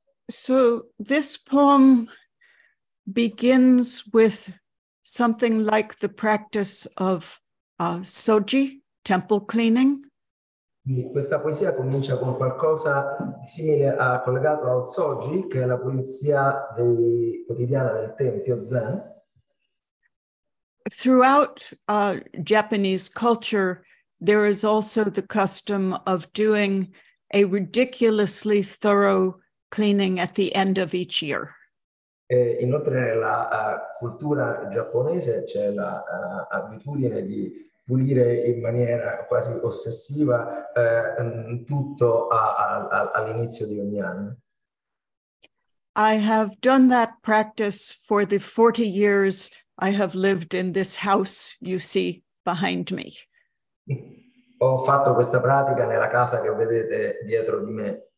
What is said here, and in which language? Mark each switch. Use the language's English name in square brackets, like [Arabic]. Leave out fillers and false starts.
[English] So this poem begins with something like the practice of soji, temple cleaning. [Italian] Questa poesia comincia con qualcosa simile a collegato al soji, che è la pulizia quotidiana del tempio Zen. [English] Throughout Japanese culture, there is also the custom of doing a ridiculously thorough cleaning at the end of each year. [Italian] Inoltre nella cultura giapponese c'è la abitudine di pulire in maniera quasi ossessiva tutto all'inizio di ogni anno. [English] I have done that practice for the 40 years I have lived in this house you see behind me. [Italian] Ho fatto questa pratica nella casa che vedete dietro di me.